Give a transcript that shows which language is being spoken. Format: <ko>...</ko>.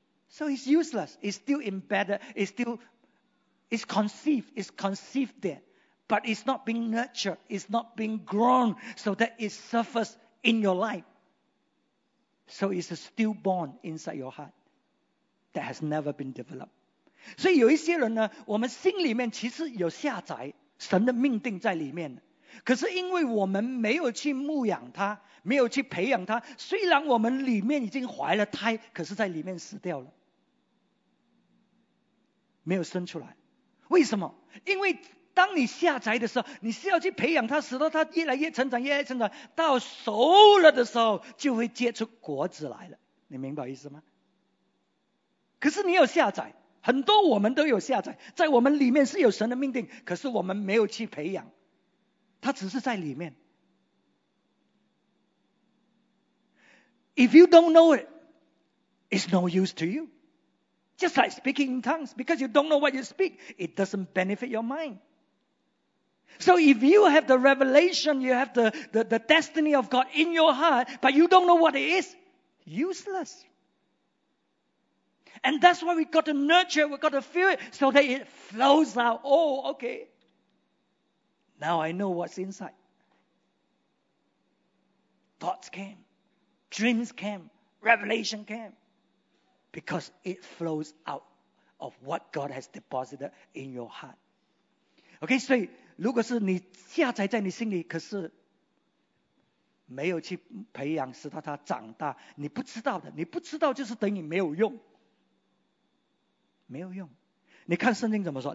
<en>So it's useless. It's still embedded. It's conceived there. but it's not being nurtured, it's not being grown so that it surfaces in your life. So it's a stillborn inside your heart that has never been developed.</en> <zh>所以有一些人呢, 我们心里面其实有下载, 神的命定在里面, 可是因为我们没有去牧养他, 没有去培养他, 虽然我们里面已经怀了胎, 可是在里面死掉了, 没有生出来。为什么? 因为当你下载的时候, 你是要去培养他, 使得他越来越成长, 越来越成长, 到熟了的时候, 就会结出果子来了。你明白意思吗? 可是你有下载, 很多我们都有下载, 在我们里面是有神的命定, 可是我们没有去培养, 它只是在里面。</zh> <en>If you don't know it, it's no use to you. Just like speaking in tongues, because you don't know what you speak, it doesn't benefit your mind. So if you have the revelation, you have the destiny of God in your heart, but you don't know what it is, useless. And that's why we've got to nurture it, we've got to feel it, so that it flows out. Oh, okay. Now I know what's inside. Thoughts came. Dreams came. Revelation came. Because it flows out of what God has deposited in your heart.</en> <zh>Okay, 所以如果是你下载在你心里, 可是没有去培养, 使它长大, 你不知道的, 你不知道就是等于没有用。没有用, 你看圣经怎么说?</zh>